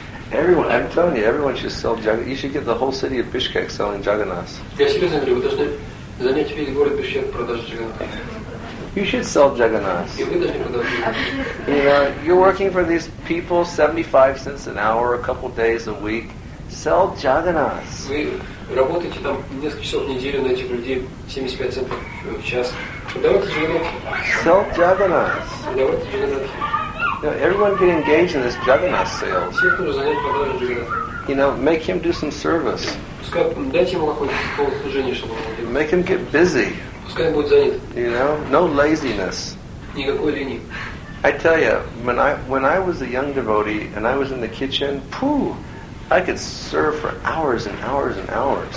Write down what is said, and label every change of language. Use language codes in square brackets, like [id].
[en] Everyone, I'm telling you, everyone should sell Jagannaths. You should get the whole city of Bishkek selling Jagannaths. [ru] Я серьезно говорю, вы должны занять весь город Бишкек продажей Jagannaths. [en] You should sell Jagannaths. [ru] И вы должны продавать Jagannaths. [en] You know, you're working for these people 75 cents an hour, a couple days a week. Sell Jagannaths. [ru] Вы работаете там несколько часов в неделю на этих людей 75 центов в час. Продавайте Jagannaths. [en] Sell Jagannaths. [ru] Продавайте Jagannaths. [en] You know, everyone get engaged in this Jagannath sales. You know, make him do some service. Make him get busy. You know, no laziness. I tell you, when I was a young devotee and I was in the kitchen, poo, I could serve for hours and hours and hours.